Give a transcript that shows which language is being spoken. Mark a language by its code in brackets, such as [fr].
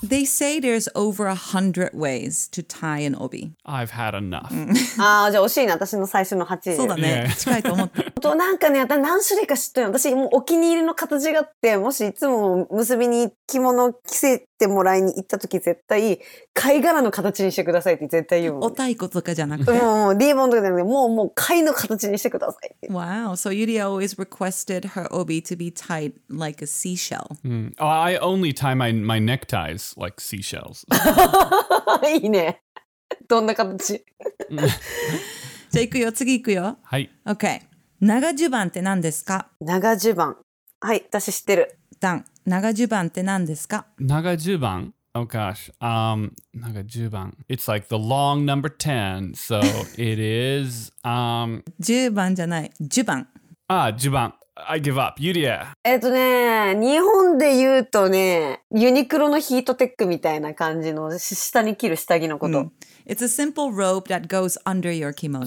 [en] They say there's over 100 ways to tie an obi. I've had enough. [ja] ああ、じゃあ惜しいね。私の最初の8。そうだね。 [en] Yeah. [ja] 近いと思った。なんかね、私何種類か知っとるよ。私もうお気に入りの形があって、もしいつも結びに着物を着せてもらいに行った時、絶対貝殻の形にしてくださいって絶対言うもん。お太鼓とかじゃなくて。もうリボンとかじゃなくて、もう貝の形にしてください。 [en] Wow. So Yuria always requested her obi to be tied like a seashell.、 Mm. Oh, I only tie my neckties like seashells. [ja] いいね。どんな形？じゃあ行くよ。次行くよ。はい。 [en] Okay. [ja] 長襦袢って何ですか？長襦袢。はい、私知ってる。ダン、長襦袢って何ですか？長襦袢。 [en] Oh gosh. [ja] 長襦袢。 [en] It's like the long number 10. So it is. [ja] 襦袢じゃない。襦袢。 [en] ああ、襦袢。I give up. Yuria. [ja] ね、日本で言うとね、ユニクロのヒートテックみたいな感じの下に着る下着のこと。 Mm. [en] It's a simple robe that goes under your kimono.